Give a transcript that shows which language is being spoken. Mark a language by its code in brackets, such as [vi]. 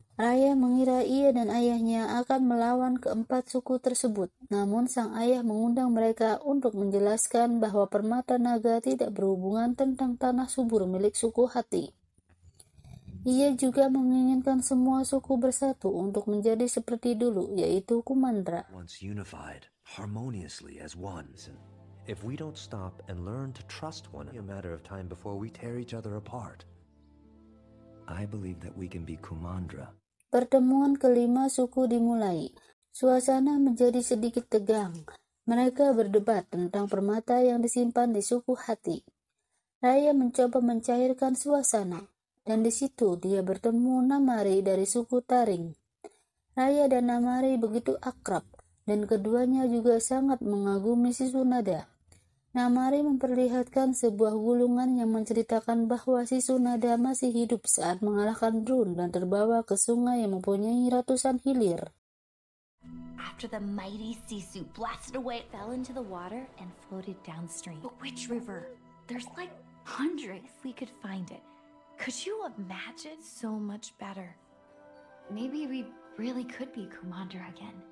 [id] Raya mengira ia dan ayahnya akan melawan keempat suku tersebut. Namun sang ayah mengundang mereka untuk menjelaskan bahwa permata naga tidak berhubungan tentang tanah subur milik suku hati. Ia juga menginginkan semua suku bersatu untuk menjadi seperti dulu, yaitu Kumandra. [en] Once unified, harmoniously as one. If we don't stop and learn to trust one, it's a matter of time before we tear each other apart. I believe that we can be Kumandra. [id] Pertemuan kelima suku dimulai. Suasana menjadi sedikit tegang. Mereka berdebat tentang permata yang disimpan di suku hati. Raya mencoba mencairkan suasana, dan di situ dia bertemu Namari dari suku Taring. Raya dan Namari begitu akrab, dan keduanya juga sangat mengagumi Sisunada. Namari memperlihatkan sebuah gulungan yang menceritakan bahwa Sisunada masih hidup saat mengalahkan Drun dan terbawa ke sungai yang mempunyai ratusan hilir. [en] After the mighty Sisu blasted away, it fell into the water and floated downstream. But which river? There's like hundreds. If we could find it, could you imagine so much better? Maybe we really could be Kumandra again.